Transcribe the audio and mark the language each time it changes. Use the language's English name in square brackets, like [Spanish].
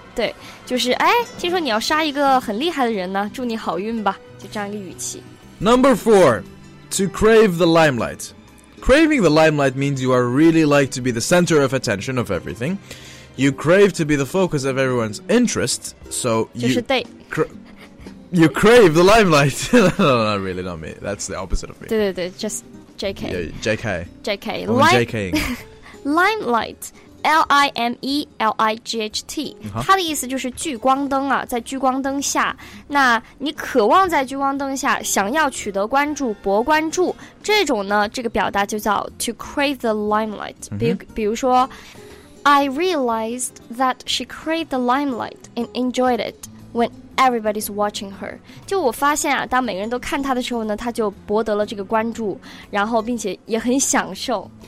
[Chinese] 对，就是哎，听说你要杀一个很厉害的人呢，祝你好运吧，就这样一个语气。 [English] Number four, to crave the limelight. Craving the limelight means you are really like to be the center of attention of everything. You crave to be the focus of everyone's interest. So you [Chinese] 就是对 [English] You crave the limelight. No, no, not really, not me. That's the opposite of me. [Chinese] 对对对 [English] just JK. JK. JK. JKing. [Chinese] Limelight. L-I-M-E-L-I-G-H-T.、它的意思就是聚光灯啊，在聚光灯下。那你渴望在聚光灯下，想要取得关注，博关注。这种呢，这个表达就叫 [English] to crave the limelight.、 [Chinese] 比如说 [English] I realized that she craved the limelight and enjoyed it whenEverybody's watching her. [Chinese] 就我发现啊，当每个人都看他的时候呢，他就博得了这个关注，然后并且也很享受。